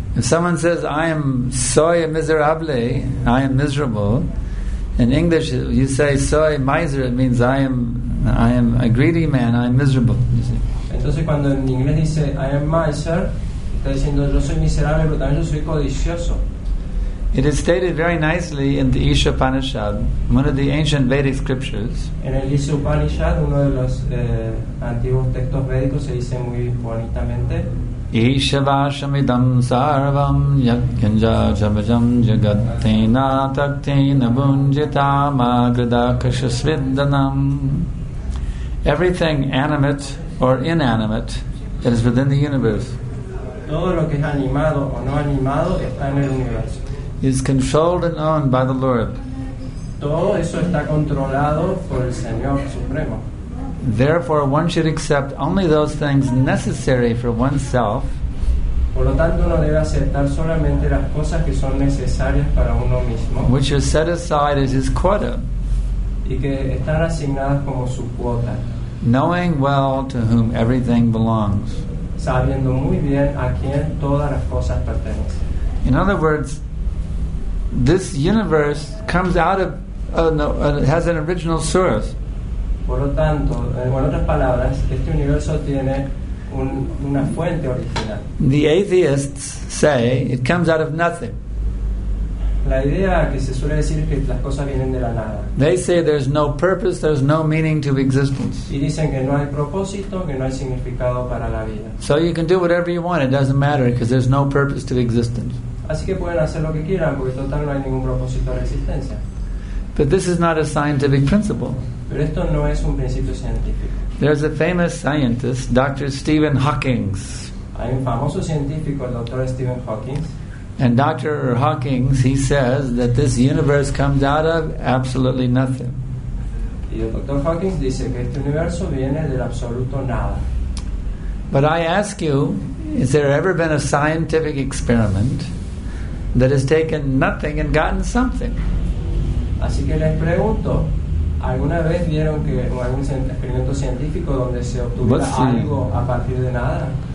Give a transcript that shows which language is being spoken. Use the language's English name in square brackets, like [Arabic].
[English] If someone says, I am [Spanish] soy miserable, [English] I am miserable, in English, you say "soy miser." It means I am a greedy man. I am miserable. You see. [Spanish] Entonces, cuando en inglés dice [English] "I am miser," [Spanish] está diciendo yo soy miserable, pero también yo soy codicioso. [English] It is stated very nicely in the Isha Upanishad, one of the ancient Vedic scriptures. [Spanish] En el Isha Upanishad, uno de los antiguos textos védicos, se dice muy bonitamente. [Sanskrit] Ishavashamidam sarvam yakyanja jamajam jagatena taktena bunjita magrida kashasvindanam. [English] Everything animate or inanimate that is within the universe. [Spanish] Todo lo que es animado o no animado está en el universo. [English] Is controlled and owned by the Lord. [Spanish] Todo eso está controlado por el Señor Supremo. [English] Therefore, one should accept only those things necessary for oneself. [Spanish] Por lo tanto, uno debe aceptar solamente las cosas que son necesarias para uno mismo. [English] Which are set aside as his quota. [Spanish] Y que están asignadas como su cuota. [English] Knowing well to whom everything belongs. [Spanish] Sabiendo muy bien a quién todas las cosas pertenecen. [English] In other words, this universe comes out of has an original source. [Spanish] Por lo tanto, en otras palabras, este universo tiene una fuente original. [English] The atheists say it comes out of nothing. [Spanish] La idea que se suele decir es que las cosas vienen de la nada. [English] They say there's no purpose, there's no meaning to existence. [Spanish] Y dicen que no hay propósito, que no hay significado para la vida. [English] So you can do whatever you want, it doesn't matter because there's no purpose to existence. [Spanish] Así que pueden hacer lo que quieran porque total no hay ningún propósito de existencia. [English] But this is not a scientific principle. [Spanish] Pero esto no es un principio científico. [English] There's a famous scientist, Dr. Stephen Hawking. [Spanish] Hay un famoso científico, el Dr. Stephen Hawking. [English] And Dr. Hawking, he says that this universe comes out of absolutely nothing. [Spanish] Y el Dr. Hawking dice que este universo viene del absoluto nada. [English] But I ask you, has there ever been a scientific experiment that has taken nothing and gotten something? [Spanish] Así que les pregunto, ¿alguna vez vieron que en algún experimento científico donde se obtuviera algo a partir de nada?